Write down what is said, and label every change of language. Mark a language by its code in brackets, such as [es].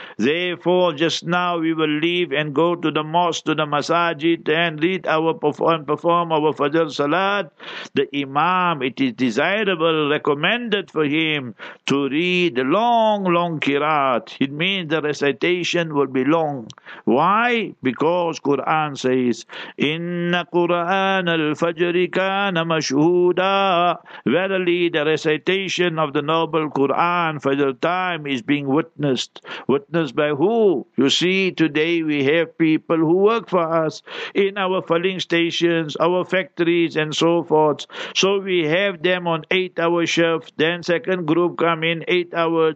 [en] Therefore, just now we will leave and go to the mosque, to the masajid, and read our perform our Fajr Salat. The Imam, it is desirable, recommended for him to read long, long Qirat. It means the recitation will be long. Why? Because Qur'an says, in [ar] إن قرآن الفجر كان مشهودا. [en] Verily, the recitation of the noble Quran, Fajr time, is being witnessed. Witnessed by who? You see, today we have people who work for us in our filling stations, our factories, and so forth. So we have them on 8-hour shift. Then second group come in 8 hours.